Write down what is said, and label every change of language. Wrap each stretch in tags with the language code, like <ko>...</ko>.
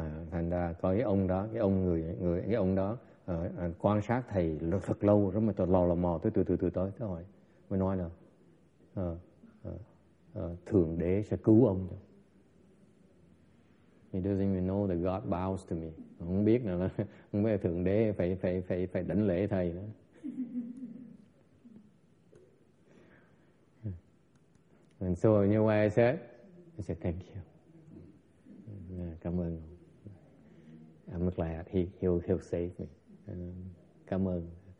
<vi>Thành ra có cái ông đó, cái ông người người cái ông đó quan sát thầy thật lâu rồi mà tôi lò mò tới tôi hỏi mới nói là thượng đế sẽ cứu ông.</vi> <en>He doesn't even know that God bows to me.</en> <vi>Không biết nữa, không biết thượng đế phải đảnh lễ thầy nữa.</vi> <en>And so you know what I said? I said thank you.</en> <vi>Cảm ơn.</vi> <en>I'm glad he'll save me.</en> <vi>Cảm ơn.</vi>